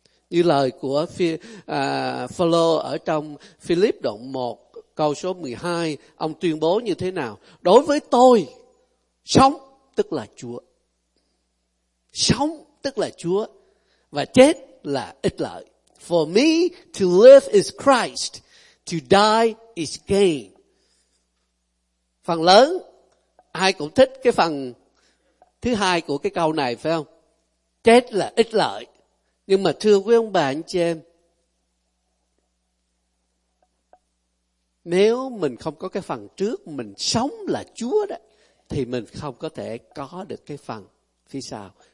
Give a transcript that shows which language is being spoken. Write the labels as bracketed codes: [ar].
[vi] Như lời của Phaolô ở trong Philip đoạn 1 câu số 12, ông tuyên bố như thế nào? Đối với tôi, sống tức là Chúa. Sống tức là Chúa, và chết là ích lợi. [en] For me, to live is Christ, to die is gain. [vi] Phần lớn, ai cũng thích cái phần thứ hai của cái câu này, phải không? Chết là ích lợi. Nhưng mà thưa quý ông bà anh chị em, nếu mình không có cái phần trước, mình sống là Chúa đó, thì mình không có thể có được cái phần phía sau.